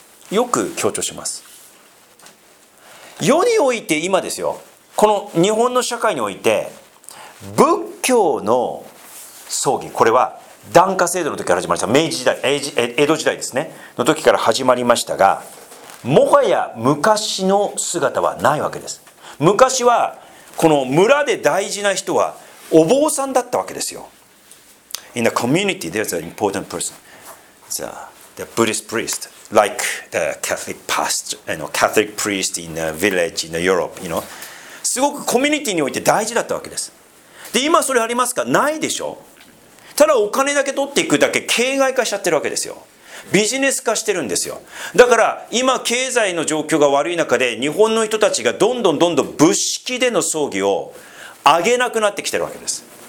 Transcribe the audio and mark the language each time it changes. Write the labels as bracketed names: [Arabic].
[Japanese] よく強調します。世において今ですよ、この日本の社会において仏教の葬儀、これは檀家制度の時から始まりました。明治時代、江戸時代ですねの時から始まりましたが、もはや昔の姿はないわけです。昔はこの村で大事な人はお坊さんだったわけですよ。 [English] In the community there's an important person, the Buddhist priest, like the Catholic pastor, you know, Catholic priest in the village in Europe, you know. [Japanese] すごくコミュニティにおいて大事だったわけです。で今それありますか？ないでしょ。ただお金だけ取っていくだけ、形骸化しちゃってるわけですよ。ビジネス化してるんですよ。だから今経済の状況が悪い中で、日本の人たちがどんどんどんどん物式での葬儀を上げなくなってきてるわけです。